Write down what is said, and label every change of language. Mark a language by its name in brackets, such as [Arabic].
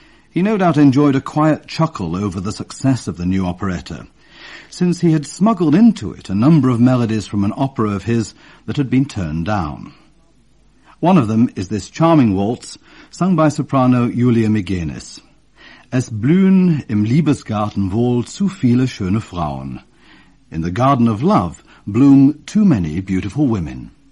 [English] He no doubt enjoyed a quiet chuckle over the success of the new operetta, since he had smuggled into it a number of melodies from an opera of his that had been turned down. One of them is this charming waltz, sung by soprano Julia Migenis. [German] Es blühen im Liebesgarten wohl zu viele schöne Frauen. [English] In the garden of love bloom too many beautiful women.